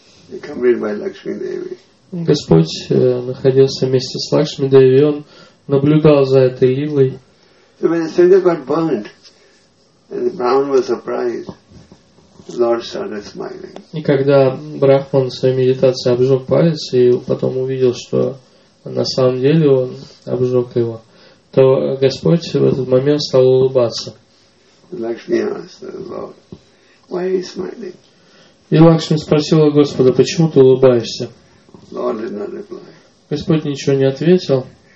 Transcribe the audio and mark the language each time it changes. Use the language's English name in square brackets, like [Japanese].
[Russian] Господь находился вместе с Лакшми Деви, он наблюдал за этой лилой. [English] So when the finger got burnt, and the Brahman was surprised, the Lord started smiling. [Russian] И когда брахман в своей медитации обжег палец и потом увидел, что на самом деле он обжег его, то Господь в этот момент стал улыбаться. [English] Lakshmi asked the Lord, "Why are you smiling?" [Russian] И Лакшми спросила Господа, почему ты улыбаешься? [English] Lord did not reply. [Russian] Господь ничего не ответил.